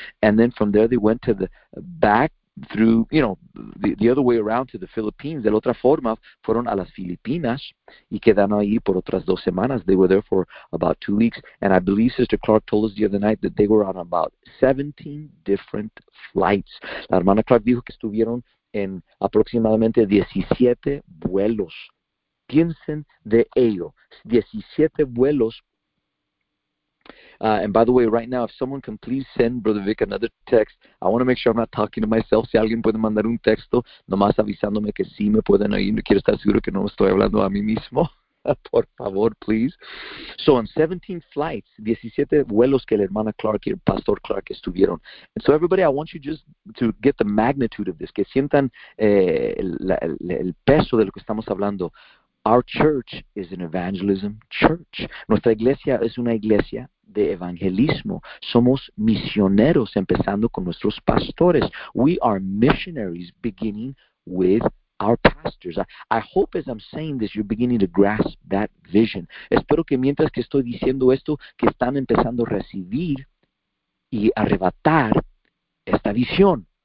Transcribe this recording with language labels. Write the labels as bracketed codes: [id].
[en] And then from there, they went to the back. Through, you know, the other way around to the Philippines. [es] De la otra forma, fueron a las Filipinas y quedaron ahí por otras 2 semanas. [en] They were there for about 2 weeks. And I believe Sister Clark told us the other night that they were on about 17 different flights. [es] La Hermana Clark dijo que estuvieron en aproximadamente 17 vuelos. Piensen de ello. 17 vuelos. [en] And by the way, right now, if someone can please send Brother Vic another text, I want to make sure I'm not talking to myself. [es] Si alguien puede mandar un texto, nomás avisándome que sí me pueden oír, no quiero estar seguro que no estoy hablando a mí mismo. Por favor, [en] please. So on 17 flights, [es] 17 vuelos que la hermana Clark y el pastor Clark estuvieron. [en] And so everybody, I want you just to get the magnitude of this, [es] que sientan el peso de lo que estamos hablando. [en] Our church is an evangelism church. [es] Nuestra iglesia es una iglesia de evangelismo. Somos misioneros, empezando con nuestros pastores. [en] We are missionaries, beginning with our pastors. I hope as I'm saying this, you're beginning to grasp that vision. [es] Espero que mientras que estoy diciendo esto, que están empezando a recibir y arrebatar esta visión.